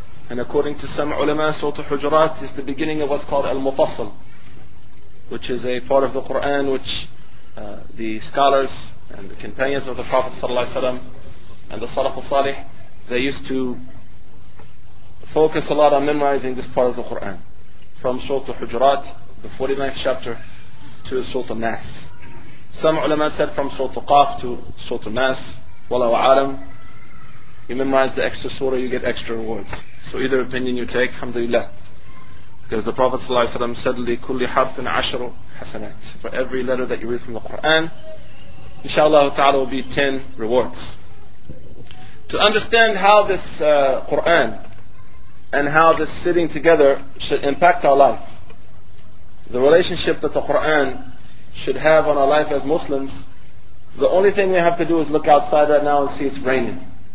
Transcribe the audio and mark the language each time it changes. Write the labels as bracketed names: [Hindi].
[English] And according to some ulama, Surah Al-Hujurat is the beginning of what's called Al-Mufassal, which is a part of the Quran which the scholars and the companions of the Prophet ﷺ and the Salaf al-Salih, they used to focus a lot on memorizing this part of the Quran, from Surah al-Hujurat, the 49th chapter, to Surah al-Nas. Some ulama said from Surah al-Qaf to Surah al-Nas, wallahu alam, you memorize the extra surah, you get extra rewards. So either opinion you take, alhamdulillah. Because the Prophet ﷺ said, [Arabic] لِكُلِّ حَرْفٍ عَشْرُ حسنات. [English] For every letter that you read from the Quran, inshallah ta'ala will be 10 rewards. To understand how this Quran and how this sitting together should impact our life, the relationship that the Quran should have on our life as Muslims, the only thing we have to do is look outside right now and see it's raining.